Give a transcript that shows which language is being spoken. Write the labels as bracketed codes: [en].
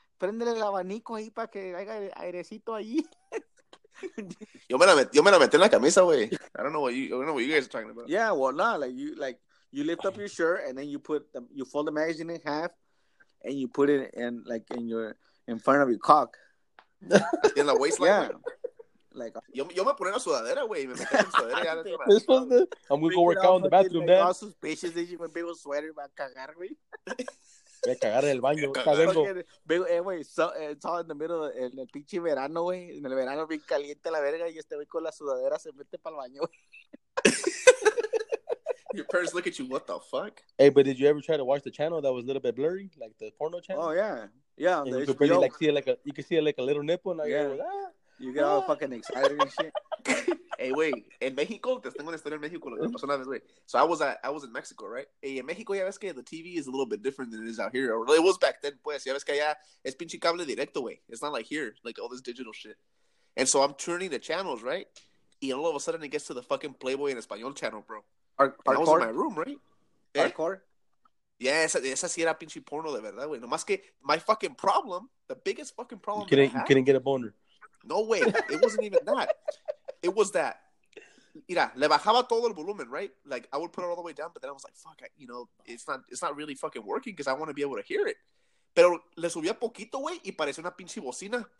[es] Préndele el abanico ahí para que haga airecito ahí. Yo me la metí en la camisa, güey. [en] I don't know what you guys are talking about. Yeah, well, no, like you lift up your shirt and then you put you fold the magazine in half and you put it in like in front of your cock. In the waistline. Yeah. Like, [es] yo me poner la sudadera, güey. [en] I'm gonna go work out in the bathroom, man. All suspicious that you wear big sweater, [es] va a cagar, güey. Va a cagar en el baño. Cagando. Güey, [en] it's all in the middle, [es] en el pinche verano, güey. En el verano bien caliente la verga y este güey con la sudadera se mete para el baño. [en] Your parents look at you, what the fuck? Hey, but did you ever try to watch the channel that was a little bit blurry, like the porno channel? Oh yeah, yeah. And you could barely like see it, like a you could see it like a little nipple, and like, yeah. You get all fucking excited and shit. Hey, wait. In Mexico, [es] te tengo una historia en México. Lo que pasó una vez, güey. [en] So I was in Mexico, right? Hey, in Mexico, [es] ya ves que [en] the TV is a little bit different than it is out here. Or it was back then, [es] pues. Ya ves que allá es pinche cable directo, güey. [en] It's not like here, like all this digital shit. And so I'm turning the channels, right? Y all of a sudden, it gets to the fucking Playboy en Español channel, bro. Parkour? I was in my room, right? Parkour? [es] Yeah, esa sí era pinche porno de verdad, güey. Nomás que [en] my fucking problem, the biggest fucking problem. You couldn't get a boner. No way. It wasn't even that. It was that. [es] Mira, le bajaba todo el volumen, [en] right? Like, I would put it all the way down, but then I was like, fuck, you know, it's not really fucking working because I want to be able to hear it. [es] Pero le subía poquito, güey, y parecía una pinche bocina.